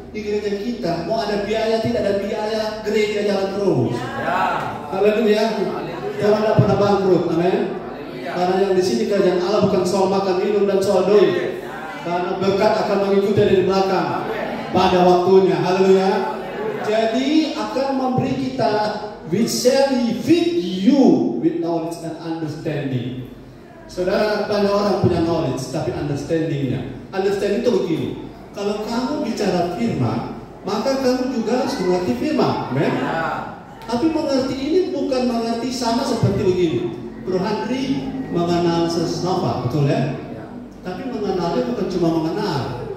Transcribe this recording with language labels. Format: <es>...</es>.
<id>Di gereja kita, mau ada biaya, tidak ada biaya, gereja jalan terus. Haleluya. Jangan ada pernah bangkrut, amin. Karena yang di sini kerjaan Allah bukan soal makan minum dan soal doi. Karena berkat akan mengikuti dari belakang pada waktunya. Haleluya. Jadi akan</id> <en>memberi kita which shall feed you with knowledge and understanding.</en> <id>Saudara, banyak orang punya knowledge tapi understandingnya. Understanding itu begini. Kalau kamu bicara firman, maka kamu juga harus mengerti firman, amen? Ya. Tapi mengerti ini bukan mengerti sama seperti begini. Bro Henry mengenal sesnapa, betul ya? Ya. Tapi mengenalnya bukan cuma mengenal.</id>